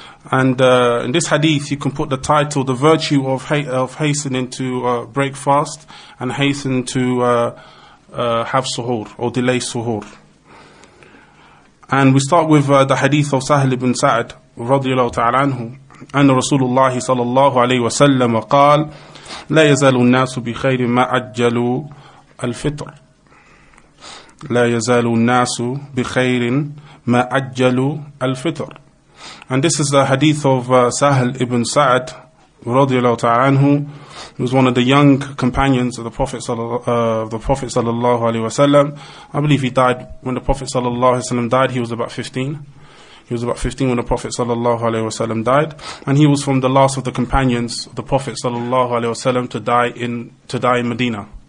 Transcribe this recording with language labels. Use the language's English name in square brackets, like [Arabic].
[English] And in this hadith, you can put the title, the virtue of hastening to break fast and hasten to have suhoor or delay suhoor. And we start with the hadith of Sahl ibn Sa'd radiyallahu ta'ala anhu. And Rasulullah sallallahu alayhi wa sallam qal, [Arabic] لا يزال الناس بخير ما أجلوا الفطر. لا يزال الناس بخير ما أجلوا الفطر. [English] And this is the hadith of Sahl ibn Sa'd radiyallahu ta'ala anhu, who was one of the young companions of the Prophet sallallahu alaihi wasallam. I believe he died when the Prophet sallallahu alaihi wasallam died. He was about 15. He was about 15 when the Prophet sallallahu alaihi wasallam died, and he was from the last of the companions of the Prophet sallallahu alaihi wasallam to die in Medina.